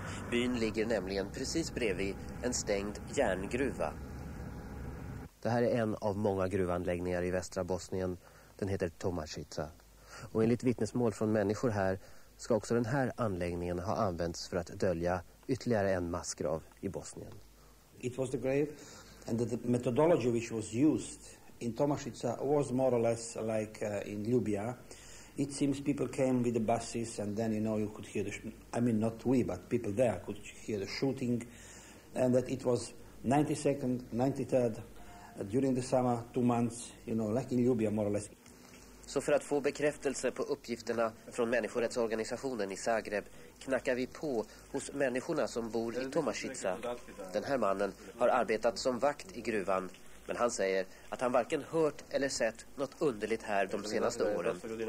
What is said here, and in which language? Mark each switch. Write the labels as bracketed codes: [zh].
[sv] Byn ligger nämligen precis bredvid en stängd järngruva. Det här är en av många gruvanläggningar i västra Bosnien. Den heter Tomašica. Och enligt vittnesmål från människor här ska också den här anläggningen ha använts för att dölja ytterligare en massgrav i Bosnien. [en] It was the grave and the methodology which was used in Tomašica was more or less like in Ljubija. It seems people came with the buses and then you know you could hear the but people there could hear the shooting and that it was 92nd, 93rd during the summer, 2 months, you know, like in Ljubija more or less. [sv] Så för att få bekräftelse på uppgifterna från människorättsorganisationen i Zagreb knackar vi på hos människorna som bor i Tomašica. Den här mannen har arbetat som vakt i gruvan, men han säger att han varken hört eller sett något underligt här de senaste åren.